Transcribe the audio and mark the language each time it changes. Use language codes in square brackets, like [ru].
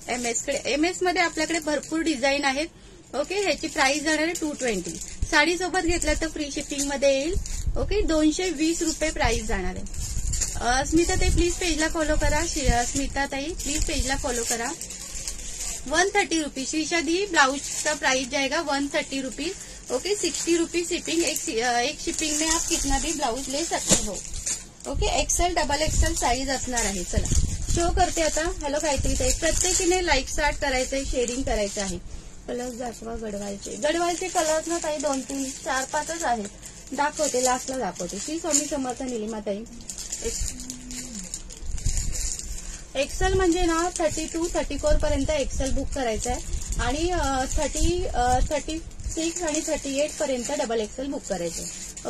[mr] MS मध्ये आपल्याकडे भरपूर डिझाईन आहेत. ओके, ह्याची प्राइस जाणार आहे 220. साडी सोबत घेतलं तर फ्री शिपिंग मध्ये येईल. ओके, 220 रुपये प्राइस जाणार आहे. स्मिताताई प्लीज पेजला फॉलो करा. स्मिताताई प्लीज पेजला फॉलो करा. [hi] 130 रुपीज श्रीशा दी ब्लाऊजचा प्राइस जाएगा 130 रुपीज. Okay, 60 rupees shipping. एक शिपिंग में आप कितना भी ब्लाउज ले सकते हो. [mr] Okay, Excel double XL size असणार आहे. चला शो करते आता. हॅलो गायत्री ताई, प्रत्येकीने लाईक स्टार्ट करायचंय, शेअरिंग करायचं आहे. कलर्स दाखवा गडवालचे. गडवालचे कलर्स ना ताई दोन तीन चार पाचच आहेत. दाखवते, लास्टला दाखवते. श्री स्वामी समर्थ निलिमा ताई, एक्सेल म्हणजे ना 32-34 पर्यंत एक्सेल बुक करायचंय, आणि 36 आणि 38 पर्यंत डबल एक्सेल बुक करायचंय.